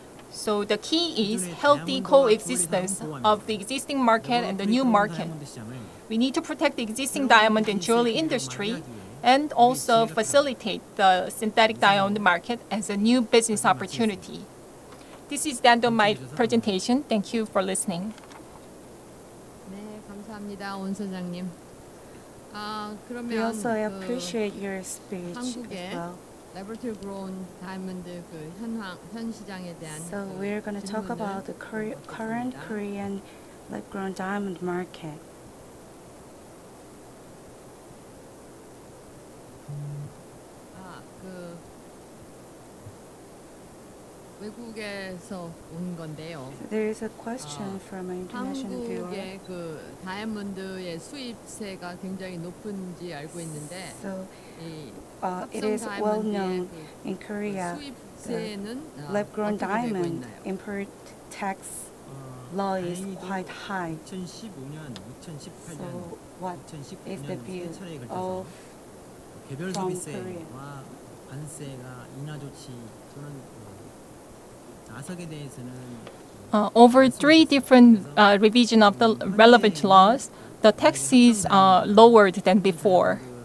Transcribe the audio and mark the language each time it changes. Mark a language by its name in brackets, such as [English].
[English] So the key is healthy coexistence of the existing market and the new market. We need to protect the existing diamond and jewelry industry and also facilitate the synthetic diamond market as a new business opportunity. This is the end of my presentation. Thank you for listening. [Korean] 네, 감사합니다, 원 사장님. [English] We also appreciate your speech as well. [Korean] Laboratory grown diamond 그 현황 현 시장에 대한 [English] So we're going to talk about the current Korean lab grown diamond market. [Korean] 그 외국에서 온 건데요. [English] There is a question from an international viewer. [Korean] 한국의 그 다이아몬드의 수입세가 굉장히 높은지 알고 있는데 [English] So it is well known in Korea lab-grown diamond import tax law is quite high. So what is the view of from Korea? [Korean] 관세가 인하 조치 또는 나석에 대해서는 [English] over three different revision of the relevant laws, the tax is lowered than before.